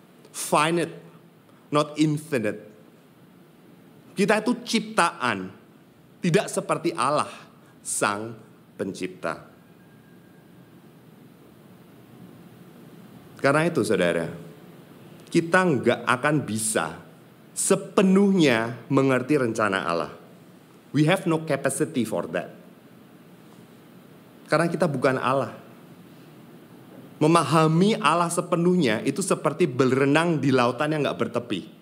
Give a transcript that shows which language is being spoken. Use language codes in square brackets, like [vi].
[en] Finite, not infinite. [id] Kita itu ciptaan, tidak seperti Allah, Sang Pencipta. Karena itu saudara, kita gak akan bisa sepenuhnya mengerti rencana Allah. [en] We have no capacity for that. [id] Karena kita bukan Allah. Memahami Allah sepenuhnya itu seperti berenang di lautan yang gak bertepi.